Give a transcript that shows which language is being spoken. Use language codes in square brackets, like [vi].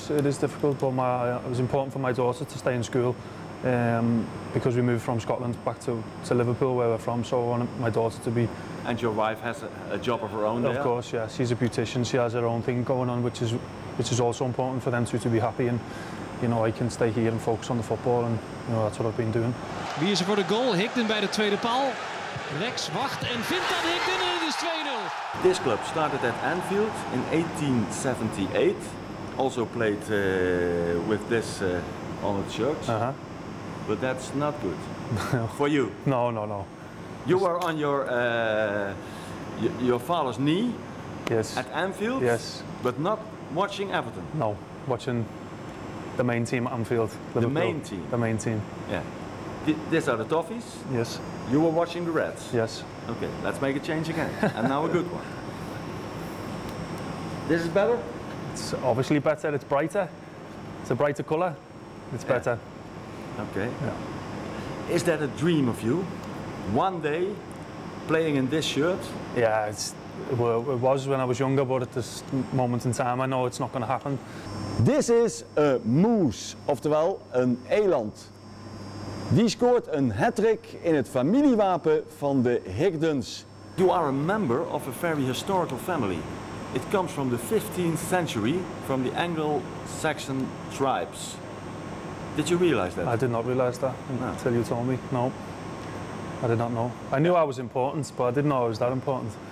[en] It is difficult, but it was important for my daughter to stay in school because we moved from Scotland back to Liverpool, where we're from, so I wanted my daughter to be. And your wife has a job of her own there? Of course, yeah. She's a beautician. She has her own thing going on, which is also important for them to be happy. And, you know, I can stay here and focus on the football, and, you know, that's what I've been doing. [nl] Wie is er voor de goal? Higdon bij de tweede paal. Rex wacht en vindt dan Higdon en het is 2-0. [en] This club started at Anfield in 1878. Also played with this on its shirt. Uh-huh. But that's not good for you. No. You were on your father's knee. Yes. At Anfield. Yes. But not watching Everton. No, watching the main team at Anfield. Liverpool. The main team. Yeah. These are the Toffees. Yes. You were watching the Reds. Yes. Okay, let's make a change again. And now a good one. This is better? It's obviously better. It's brighter. It's a brighter color. It's better. Okay. Yeah. Is that a dream of you? One day playing in this shirt? Yeah, it was when I was younger, but at this moment in time, I know it's not going to happen. This is a moose, [nl] oftewel een eland. Die scoort een hat-trick in het familiewapen van de Higdons. [en] You are a member of a very historical family. It comes from the 15th century, from the Anglo-Saxon tribes. Did you realize that? I did not realize that until you told me. No, I did not know. I knew I was important, but I didn't know I was that important.